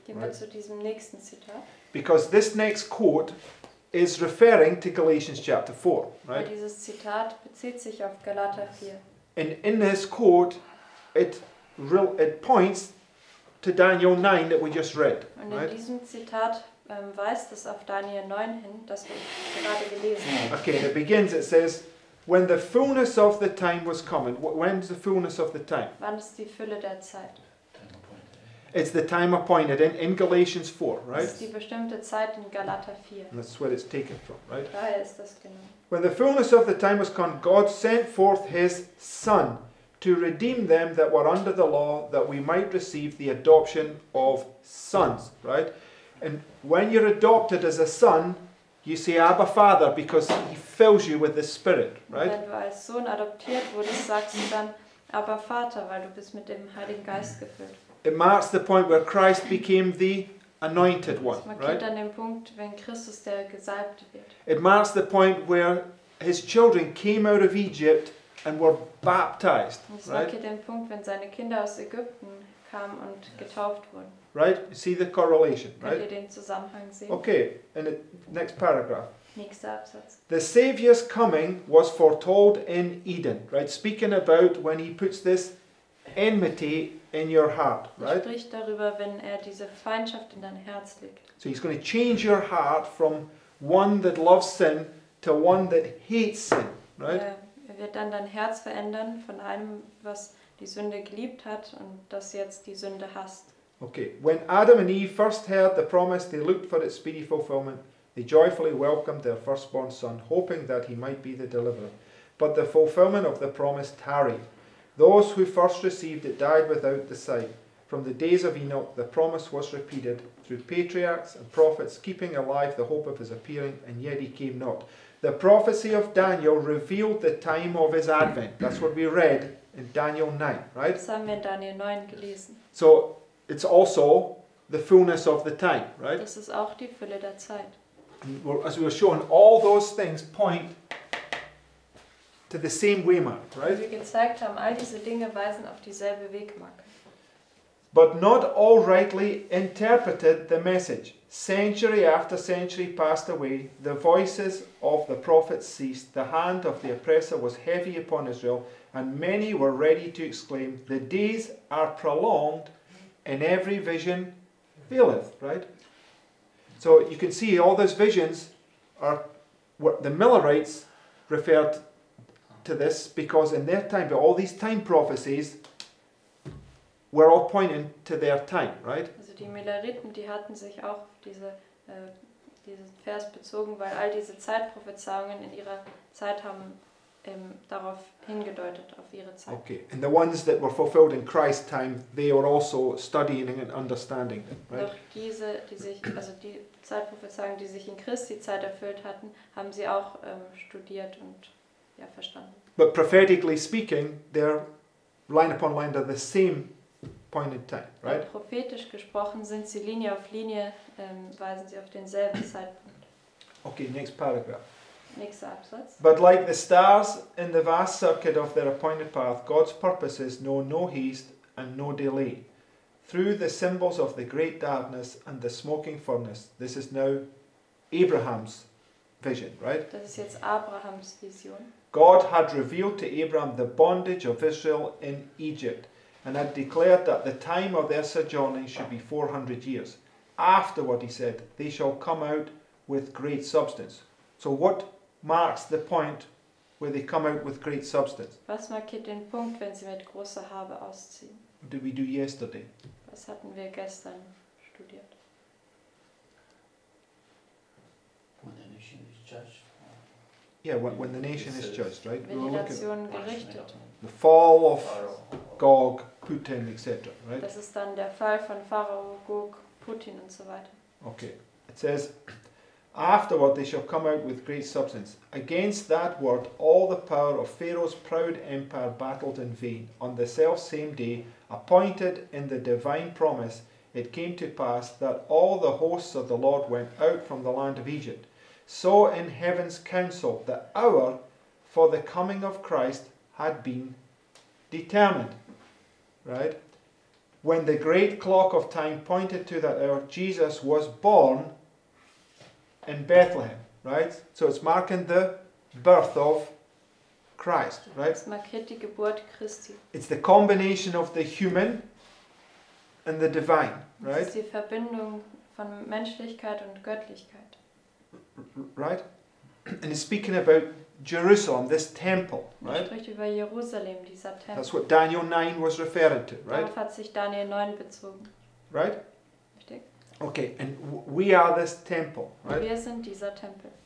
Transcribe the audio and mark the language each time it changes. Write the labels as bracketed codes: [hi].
[de] Right? Zu diesem nächsten Zitat. [en] Because this next quote is referring to Galatians chapter 4, right? [de] Dieses Zitat bezieht sich auf Galater 4. [en] And in this quote, it points to Daniel 9 that we just read. [de] Und in diesem Zitat weist es auf Daniel 9 hin, das wir gerade gelesen haben. [en] Okay, it begins, it says, when the fullness of the time was coming. When's the fullness of the time? [de] Wann ist die Fülle der Zeit? [en] It's the time appointed in Galatians 4, right? [de] Das ist die bestimmte Zeit in Galater 4. [en] And that's where it's taken from, right? [de] Daher ist das genommen. [en] When the fullness of the time was come, God sent forth his Son to redeem them that were under the law, that we might receive the adoption of sons, right? And when you're adopted as a son, you say, Abba, Father, because he fills you with the Spirit, right? [de] Wenn du als Sohn adoptiert wurdest, sagst du dann, Abba, Vater, weil du bist mit dem Heiligen Geist gefüllt. [en] It marks the point where Christ became the anointed one, right? [de] Es markiert dann den Punkt, wenn Christus der Gesalbte wird. [en] It marks the point where his children came out of Egypt and were baptized, right? [de] Es markiert den Punkt, wenn seine Kinder aus Ägypten kamen und getauft wurden. [en] Right? You see the correlation, right? [de] Könnt ihr den Zusammenhang sehen? [en] Okay, in the next paragraph. [de] Nächster Absatz. [en] The Savior's coming was foretold in Eden, right? Speaking about when he puts this enmity in your heart, right? [de] Er spricht darüber, wenn er diese Feindschaft in dein Herz legt. [en] So he's going to change your heart from one that loves sin to one that hates sin, right? [de] Er wird dann dein Herz verändern von einem, was die Sünde geliebt hat und das jetzt die Sünde hasst. [en] Okay, when Adam and Eve first heard the promise, they looked for its speedy fulfillment. They joyfully welcomed their firstborn son, hoping that he might be the deliverer. But the fulfillment of the promise tarried. Those who first received it died without the sight. From the days of Enoch, the promise was repeated through patriarchs and prophets, keeping alive the hope of his appearing, and yet he came not. The prophecy of Daniel revealed the time of his advent. That's what we read in Daniel 9, right? [de] Das haben wir in Daniel 9 gelesen. [en] So it's also the fullness of the time, right? [de] Das ist auch die Fülle der Zeit. [en] As we were shown, all those things point to the same waymark, right? [de] Wie wir gezeigt haben, all diese Dinge weisen auf dieselbe Wegmarke. [en] But not all rightly interpreted the message. Century after century passed away, the voices of the prophets ceased, the hand of the oppressor was heavy upon Israel, and many were ready to exclaim, the days are prolonged, and every vision faileth, right? So you can see all those visions are what the Millerites referred to this because in their time, but all these time prophecies were all pointing to their time, right? [de] Also die Milleriten, die hatten sich auch diese diesen Vers bezogen, weil all diese Zeitprophezeiungen in ihrer Zeit haben darauf hingedeutet, auf ihre Zeit. [en] Okay, and the ones that were fulfilled in Christ's time, they were also studying and understanding them, right? [de] Doch diese, die sich, also die Zeitprophezeiungen, die sich in Christi Zeit erfüllt hatten, haben sie auch studiert und ja, verstanden. [en] But prophetically speaking, they're line upon line, they're the same point in time, right? [de] Und prophetisch gesprochen sind sie Linie auf Linie, weisen sie auf denselben Zeitpunkt. [en] Okay, next paragraph. [de] Next Absatz. [en] But like the stars in the vast circuit of their appointed path, God's purposes know no haste and no delay. Through the symbols of the great darkness and the smoking furnace, this is now Abraham's vision, right? [de] Das ist jetzt Abrahams Vision. [en] God had revealed to Abraham the bondage of Israel in Egypt and had declared that the time of their sojourning should be 400 years. Afterward, he said, they shall come out with great substance. So what marks the point where they come out with great substance? [de] Was markiert den Punkt, wenn sie mit großer Habe ausziehen? [en] What did we do yesterday? [de] Was hatten wir gestern studiert? [en] When the nation is judged. Yeah, when the nation is judged, right? [de] Wenn die Nation gerichtet. [en] The fall of Gog, Putin, etc., right? [de] Das ist dann der Fall von Pharao, Gog, Putin und so weiter. [en] Okay, it says, afterward they shall come out with great substance. Against that word, all the power of Pharaoh's proud empire battled in vain. On the selfsame day, appointed in the divine promise, it came to pass that all the hosts of the Lord went out from the land of Egypt. So in heaven's counsel, the hour for the coming of Christ had been determined. Right? When the great clock of time pointed to that hour, Jesus was born in Bethlehem, right? So it's marking the birth of Christ, right? [de] Es markiert die Geburt Christi. [en] It's the combination of the human and the divine, right? [de] Es ist die Verbindung von Menschlichkeit und Göttlichkeit. [en] Right? And it's speaking about Jerusalem, this temple, right? [de] Es spricht über Jerusalem, dieser Tempel. [en] That's what Daniel 9 was referring to, right? [de] Darauf hat sich Daniel 9 bezogen. [en] Right? Okay, and we are this temple, right? [de] Wir sind dieser Tempel.